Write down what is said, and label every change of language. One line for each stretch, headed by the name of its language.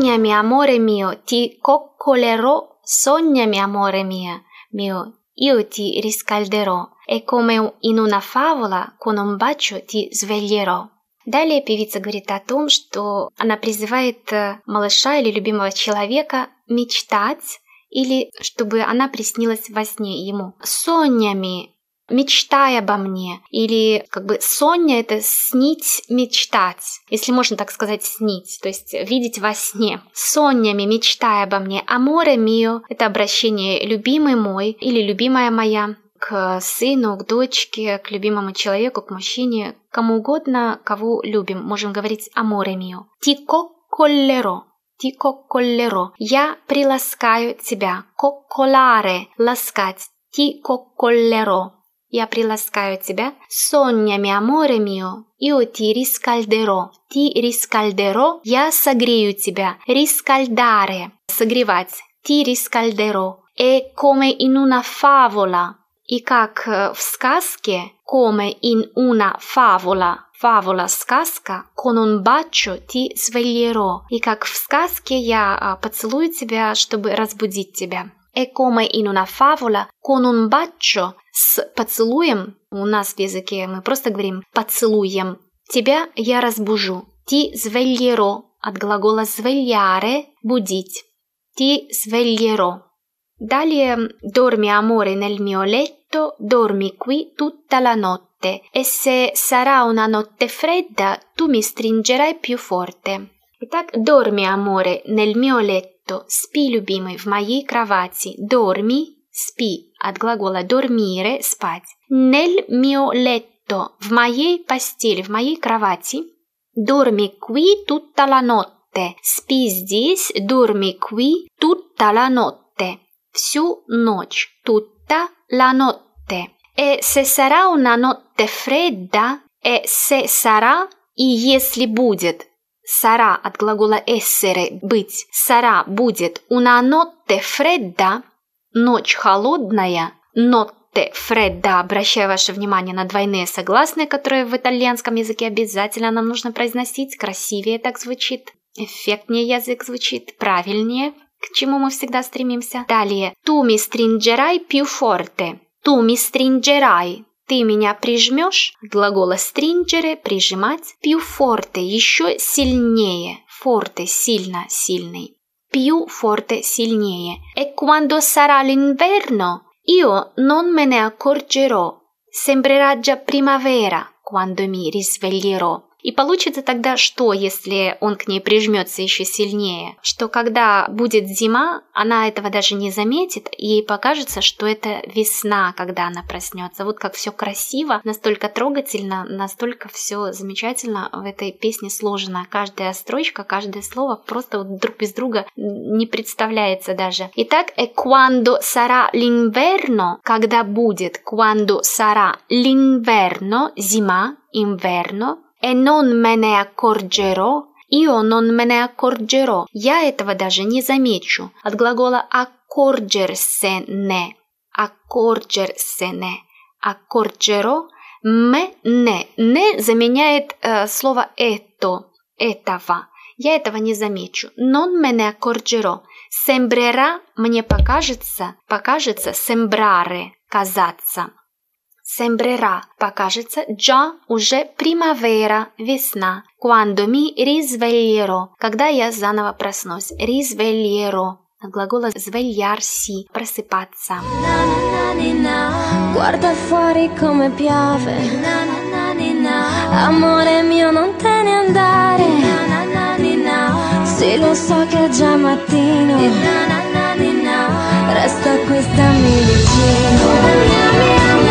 Italian: Amore mio, ti coccolerò, sognami amore mio, io ti riscalderò, e come in una favola, con un bacio ti sveglierò.
Russian: Далее певица говорит о том, что она призывает малыша или любимого человека мечтать, или чтобы она приснилась во сне ему. Сонями, мечтай обо мне, или как бы соня это снить, мечтать, если можно так сказать, снить, то есть видеть во сне. Сонями, мечтай обо мне,
Italian: amore mio,
Russian: это обращение любимый мой или любимая моя к сыну, к дочке, к любимому человеку, к мужчине, кому угодно, кого любим, можем говорить amore mio.
Italian: Ti coccolerò. Ti coccolerò.
Russian: Я приласкаю тебя.
Italian: Coccolare,
Russian: ласкать.
Italian: Ti coccolerò.
Russian: Я приласкаю тебя.
Italian: Sognami, amore mio, io ti riscalderò. Ti riscalderò.
Russian: Я согрею тебя.
Italian: Riscaldare.
Russian: Согревать.
Italian: Ti riscalderò. E come in una favola.
Russian: И как в сказке.
Italian: Come in una favola. Favola,
Russian: сказка.
Italian: Con un bacio ti sveglierò.
Russian: И как в сказке я поцелую тебя, чтобы разбудить тебя.
Italian: E come in una favola. Con un bacio.
Russian: С поцелуем, у нас в языке мы просто говорим «поцелуем», тебя я разбужу.
Italian: «Ти звельеро»
Russian: от глагола
Italian: «звельяре»
Russian: – «будить».
Italian: «Ти звельеро».
Russian: Далее
Italian: «дорми, аморе, нель мио летто, дорми qui tutta la notte, e se sarà una notte fredda, tu mi stringerai più forte».
Russian: Итак,
Italian: «дорми, аморе, нель мио летто,
Russian: спи, любимый, в моей кровати,
Italian: дорми».
Russian: Спи от глагола
Italian: dormire
Russian: – спать.
Italian: Nel mio letto
Russian: – в моей постели, в моей кровати.
Italian: Dormi qui tutta la notte –
Russian: спи здесь.
Italian: Dormi qui tutta la notte –
Russian: всю ночь.
Italian: Tutta la notte. E se sarà una notte fredda – e se sarà –
Russian: и если будет.
Italian: Sarà
Russian: от глагола
Italian: essere
Russian: – быть. Sarà – будет.
Italian: Una notte fredda
Russian: – ночь холодная,
Italian: notte fredda,
Russian: обращаю ваше внимание на двойные согласные, которые в итальянском языке обязательно нам нужно произносить, красивее так звучит, эффектнее язык звучит, правильнее, к чему мы всегда стремимся. Далее,
Italian: tu mi stringerai più forte, tu mi stringerai,
Russian: ты меня прижмешь, глагола
Italian: stringere,
Russian: прижимать,
Italian: più forte,
Russian: еще сильнее, forte, сильно, сильный.
Italian: Più forte,
Russian: сильнее.
Italian: E quando sarà l'inverno, io non me ne accorgerò. Sembrerà già primavera quando mi risveglierò.
Russian: И получится тогда что, если он к ней прижмется еще сильнее? Что когда будет зима, она этого даже не заметит, и ей покажется, что это весна, когда она проснется. Вот как все красиво, настолько трогательно, настолько все замечательно в этой песне сложено. Каждая строчка, каждое слово просто вот друг без друга не представляется даже.
Italian: Итак, «E quando sarà l'inverno?»
Russian: Когда будет
Italian: «Quando sarà l'inverno?»
Russian: Зима,
Italian: «inverno?» «E non me ne accorgerò?» «Io non me ne accorgerò?»
Russian: Я этого даже не замечу. От глагола «accorgersene» «accorgersene» «accorgerò» «me ne» «ne» заменяет слово «это» «этого» «Я этого не замечу»
Italian: «Non me ne accorgerò» «Sembrerà»
Russian: «Мне покажется» «Покажется»
Italian: «Sembrare»
Russian: «Казаться» Sembrerà, покажется, già, уже primavera, весна.
Italian: Quando mi risveglierò,
Russian: когда я заново проснусь. Risveglierò, глагол
Italian: svegliarsi,
Russian: просыпаться. Na, na, na, ni, na.
Italian: Guarda fuori come piove. Na, na, na, ni, na. Amore mio, non te ne andare. Na, na, na, ni, na. Sì, lo so che è già mattino. Na, na, na, ni, na. Resta qui, stammi vicino.